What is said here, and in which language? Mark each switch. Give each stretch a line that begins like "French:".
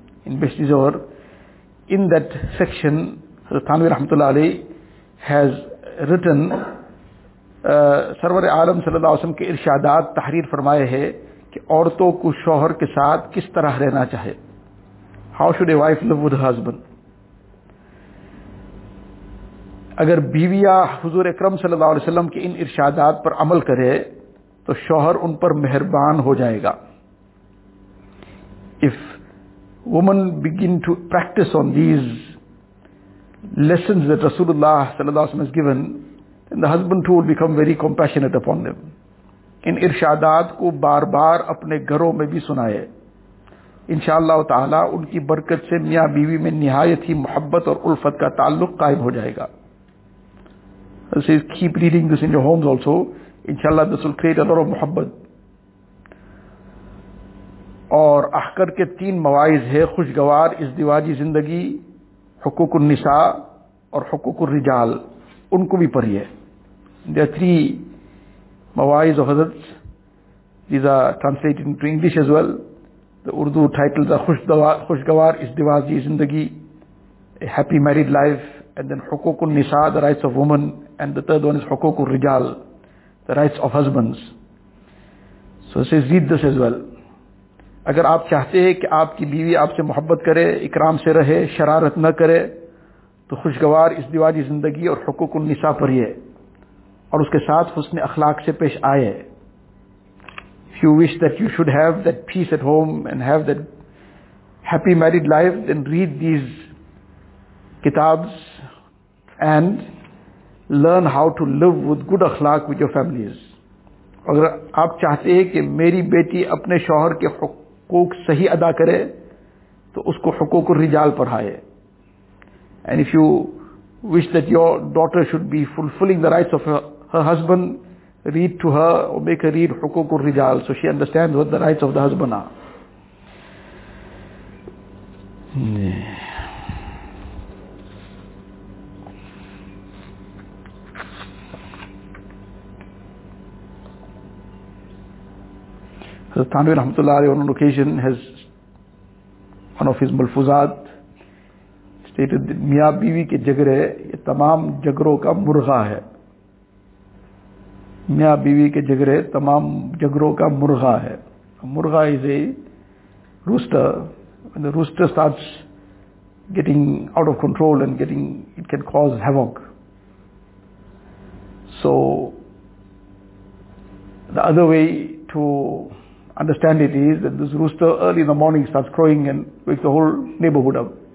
English: In Bishni Zohr, in that section, Hazrat Thanvi Rahmatullah Ali has written,
Urdu: سرور عالم صلی اللہ علیہ وسلم کے ارشادات تحریر فرمائے ہے کہ عورتوں کو شوہر کے ساتھ کس طرح رہنا چاہے,
English: how should a wife live with her husband.
Urdu: اگر بیویا حضور اکرم صلی اللہ علیہ وسلم کے ان ارشادات پر عمل کرے تو شوہر ان پر مہربان ہو جائے گا.
English: If women begin to practice on these lessons that Rasulullah صلی اللہ علیہ وسلم has given, then the husband too will become very compassionate upon them.
Urdu: ان ارشادات کو بار بار اپنے گھروں میں بھی سنائے, انشاءاللہ تعالی ان کی برکت سے میاں بیوی میں نہایت ہی محبت اور الفت کا تعلق قائم ہو جائے گا.
English: It says, keep reading this in your homes also. Inshallah, this will create a lot of muhabbat.
Urdu: اور احکر کے تین موائز ہے, خوشگوار ازدواجی زندگی, حقوق النساء اور حقوق الرجال, ان کو بھی پڑھیے.
English: There are three موائز of حضرت, these are translated into English as well. The Urdu titles are خوشگوار ازدواجی زندگی, a happy married life, and then حقوق النساء, the rights of women, and the third one is حقوق الرجال, the rights of husbands. So it says, read this as well.
Urdu: اگر آپ چاہتے ہیں کہ آپ کی بیوی آپ سے محبت کرے, اکرام سے رہے, شرارت نہ کرے, تو خوشگوار ازدواجی زندگی اور حقوق النساء پڑھیے اور اس کے ساتھ حسن اخلاق سے پیش آئے.
English: If you wish that you should have that peace at home and have that happy married life, then read these kitabs and learn how to live with good akhlaq with your families.
Urdu: اگر آپ چاہتے ہیں کہ میری بیٹی اپنے شوہر کے حقوق صحیح ادا کرے تو اس کو حقوق الرجال پڑھائے.
English: And if you wish that your daughter should be fulfilling the rights of her husband, read to her or make her read حقوق الرجال so she understands what the rights of the husband are. Hazrat Thanvi Rahmatullah on an occasion has one of his mulfuzat stated,
Urdu: میاں بیوی کے جھگڑے یہ تمام جھگڑوں کا مرغا ہے. میاں بیوی کے جھگڑے تمام جھگڑوں کا مرغا ہے.
English: مرغا is a rooster. When the rooster starts getting out of control and getting, it can cause havoc. So the other way to understand it is that this rooster early in the morning starts crowing and wakes the whole neighborhood up.